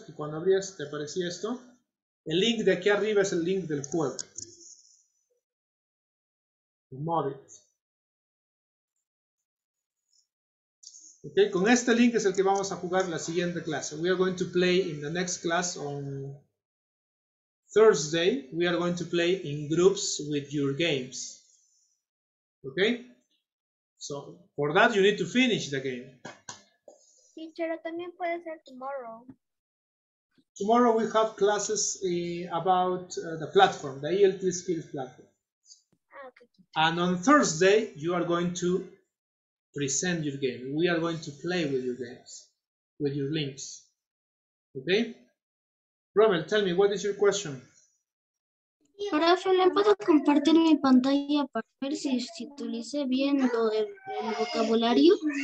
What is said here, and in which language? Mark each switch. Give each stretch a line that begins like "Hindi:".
Spanish: Que cuando abrías te aparecía esto. El link de aquí arriba es el link del juego. El móvil. ¿Ok? Con este link es el que vamos a jugar la siguiente clase.
English: We are going to play in the next class on Thursday. We are going to play in groups with your games. Okay, so for that you need to finish the game.
Spanish: Teacher, también puede ser
English: tomorrow. Tomorrow we have classes about the platform, the ELT skills platform. Okay. And on Thursday you are going to present your game. We are going to play with your games, with your links. Okay? Rommel, tell me, what is your question?
Spanish: Profe, ¿le puedo compartir mi pantalla para ver si utilice bien el vocabulario?